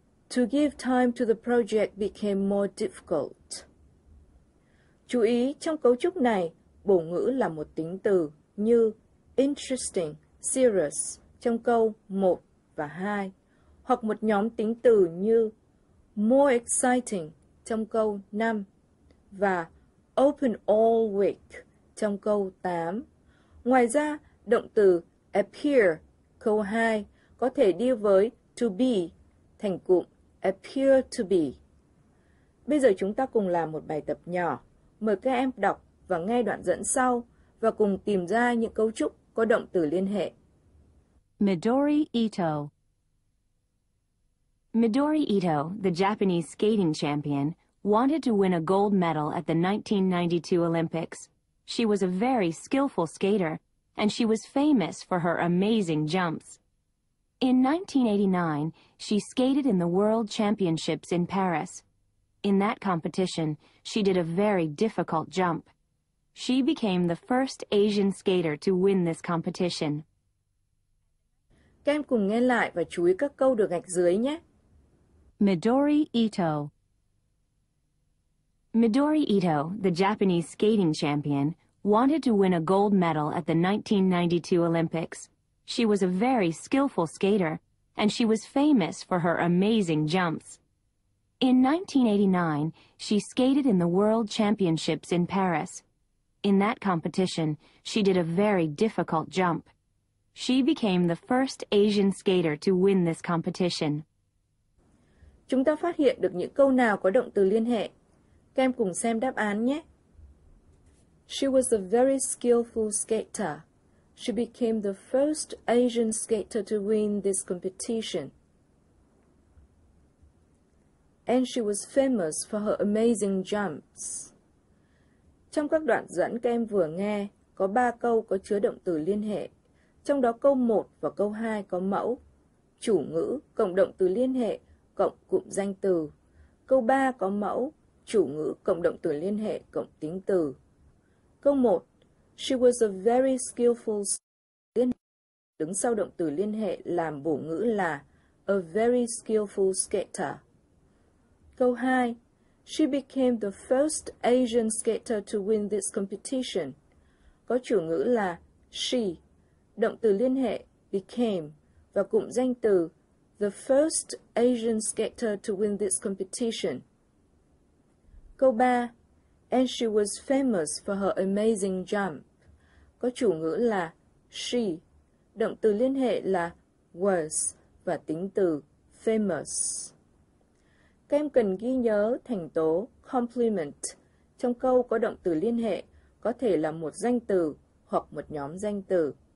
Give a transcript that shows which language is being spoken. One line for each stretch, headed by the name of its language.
English: To give time to the project became more difficult.
Vietnamese: Chú ý, trong cấu trúc này, bổ ngữ là một tính từ như
English: interesting, serious
Vietnamese: trong câu 1 và 2, hoặc một nhóm tính từ như
English: more exciting
Vietnamese: trong câu 5 và
English: open all week
Vietnamese: trong câu 8. Ngoài ra, động từ appear câu 2 có thể đi với to be thành cụm
English: appear to be.
Vietnamese: Bây giờ chúng ta cùng làm một bài tập nhỏ. Mời các em đọc và nghe đoạn dẫn sau và cùng tìm ra những cấu trúc có động từ liên hệ.
English: Midori Ito. Midori Ito, the Japanese skating champion, wanted to win a gold medal at the 1992 Olympics. She was a very skillful skater, and she was famous for her amazing jumps. In 1989, she skated in the World Championships in Paris. In that competition, she did a very difficult jump. She became the first Asian skater to win this competition.
Vietnamese: Các em cùng nghe lại và chú ý các câu được gạch dưới nhé.
English: Midori Ito. Midori Ito, the Japanese skating champion, wanted to win a gold medal at the 1992 Olympics. She was a very skillful skater, and she was famous for her amazing jumps. In 1989, she skated in the World Championships in Paris. In that competition, she did a very difficult jump. She became the first Asian skater to win this competition.
Vietnamese: Chúng ta phát hiện được những câu nào có động từ liên hệ. Các em cùng xem đáp án nhé.
English: She was a very skillful skater. She became the first Asian skater to win this competition. And she was famous for her amazing jumps.
Vietnamese: Trong các đoạn dẫn các em vừa nghe, có 3 câu có chứa động từ liên hệ. Trong đó câu 1 và câu 2 có mẫu, chủ ngữ, cộng động từ liên hệ, cộng cụm danh từ. Câu 3 có mẫu, chủ ngữ, cộng động từ liên hệ, cộng tính từ. Câu 1,
English: she was a very skillful skater.
Vietnamese: Đứng sau động từ liên hệ làm bổ ngữ là
English: a very skillful skater.
Vietnamese: Câu 2,
English: she became the first Asian skater to win this competition.
Vietnamese: Có chủ ngữ là she, động từ liên hệ became và cụm danh từ
English: the first Asian skater to win this competition.
Vietnamese: Câu 3,
English: and she was famous for her amazing jump.
Vietnamese: Có chủ ngữ là she, động từ liên hệ là was và tính từ famous. Các em cần ghi nhớ thành tố complement trong câu có động từ liên hệ có thể là một danh từ hoặc một nhóm danh từ.